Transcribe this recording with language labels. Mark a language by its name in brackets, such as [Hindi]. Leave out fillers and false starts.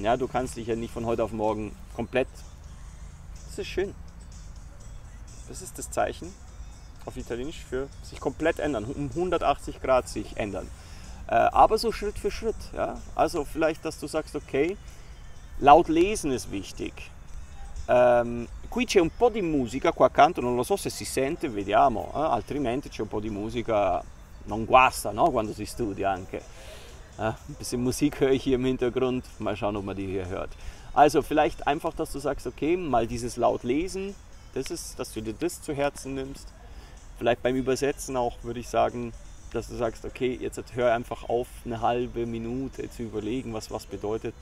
[German] Ja, du kannst dich ja nicht von heute auf morgen komplett. Das ist schön. Das ist das Zeichen auf Italienisch für sich komplett ändern, um 180 Grad sich ändern. Aber so Schritt für Schritt. Ja, also vielleicht, dass du sagst, okay, laut lesen ist wichtig. [Italian] Qui c'è un po' di musica qua accanto, non lo so se si sente, vediamo, altrimenti c'è un po' di musica, non guasta, no? Quando si studia anche. [German] Ein bisschen Musik höre ich hier im Hintergrund. Mal schauen, ob man die hier hört. Also vielleicht einfach, dass du sagst, okay, mal dieses laut lesen, das ist, dass du dir das zu Herzen nimmst. Vielleicht beim Übersetzen auch, würde ich sagen, dass du sagst, okay, jetzt hör einfach auf, eine halbe Minute zu überlegen, was bedeutet.